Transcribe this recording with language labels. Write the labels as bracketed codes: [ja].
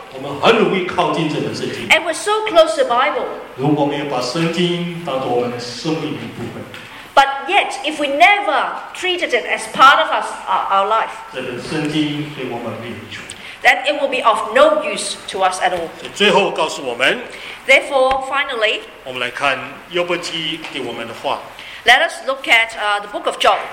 [zh] 我们很容易靠近这本圣经。 [en] And we're so close to the Bible. [zh] 如果没有把圣经当作我们生命的一部分。 [en] But yet, if we never treated it as part of us, our life, [zh] 这本圣经对我们没有益处。 [en] Then it will be of no use to us at all. [zh] 最后告诉我们, [en] Therefore, finally, [zh] 我们来看约伯记给我们的话, [en] let us look at the book of Job.